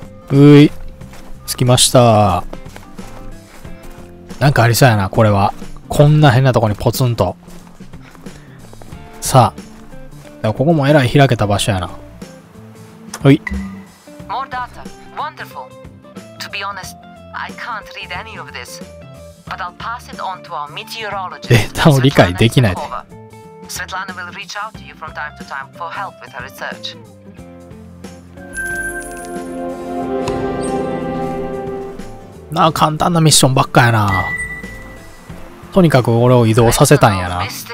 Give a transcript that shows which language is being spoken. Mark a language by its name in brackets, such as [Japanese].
[Japanese] うい、着きました。なんかありそうやな、これは。こんな変なとこにポツンと。さあ、ここもえらい開けた場所やな。ほい。 [English] More data. Wonderful. To be honest. I can't read any of this, but I'll pass it on to our meteorologist. [Japanese] データを理解できないで。 [English] Svetlana will reach out to you from time to time for help with her research. [Japanese] なあ、簡単なミッションばっかやな。とにかく俺を移動させたんやな。